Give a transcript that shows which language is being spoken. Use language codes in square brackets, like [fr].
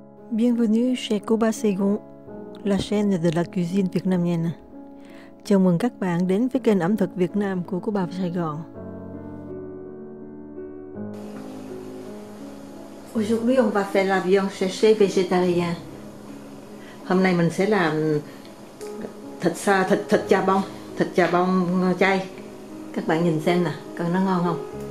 [fr] Bienvenue chez Cuba Saigon, la chaîne de la cuisine vietnamienne. [vi] Chào mừng các bạn đến với kênh ẩm thực Việt Nam của Cuba Sài Gòn. [fr] Aujourd'hui, on va faire la viande séchée végétarienne. [vi] Hôm nay mình sẽ làm thịt chà bông chay. Các bạn nhìn xem nào, coi nó ngon không?